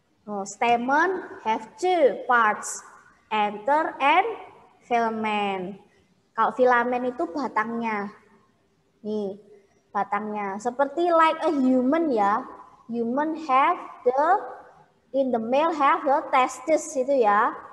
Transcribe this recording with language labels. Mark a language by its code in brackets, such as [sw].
[en] Oh, stamen have two parts, anther and filament. [id] Kalau filament itu batangnya. Nih, batangnya. Seperti [en] like a human [id] ya. [en] Human have the, in the male have the testis [id] itu ya.